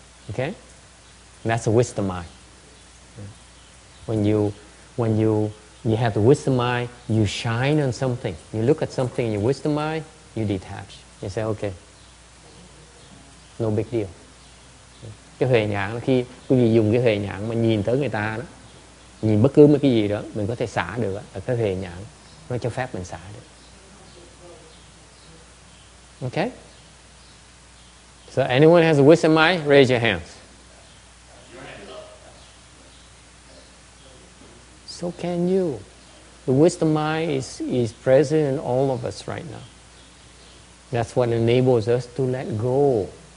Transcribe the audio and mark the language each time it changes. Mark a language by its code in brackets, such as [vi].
[en] Okay? That's a wisdom mind. When you have the wisdom eye, you shine on something. You look at something in your wisdom eye, you detach. You say, okay, no big deal. [vi] Cái huệ nhãn, khi quý vị dùng cái huệ nhãn mà nhìn tới người ta đó, nhìn bất cứ mấy cái gì đó, mình có thể xả được đó, cái huệ nhãn, nó cho phép mình xả được. [en] Okay? So anyone has a wisdom eye, raise your hands. So can you. The wisdom mind is present in all of us right now. That's what enables us to let go.